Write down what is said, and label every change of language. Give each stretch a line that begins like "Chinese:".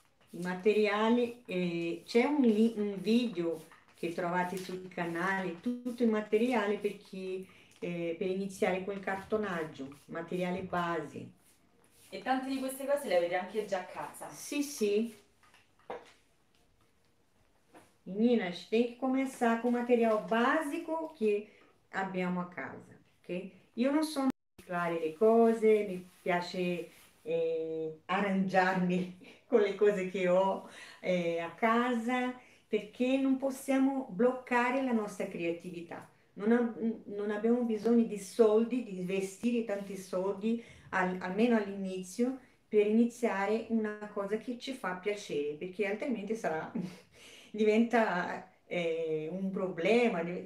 Italian: I materiali, c'è un video che trovate sul canale, tutto il materiale per iniziare col cartonaggio, materiale base. E tante di queste cose le avete anche già a casa. Sì.
Portuguese: Meninas, tem que começar com o material básico
Italian: che abbiamo a casa,
Portuguese: ok?
Italian: Io non so mesclare le cose, mi piace arrangiarmi con le cose che ho a casa. Perché non possiamo bloccare la nostra creatività. Non abbiamo bisogno di soldi, di investire tanti soldi, almeno all'inizio, per iniziare una cosa che ci fa piacere, perché altrimenti diventa un problema.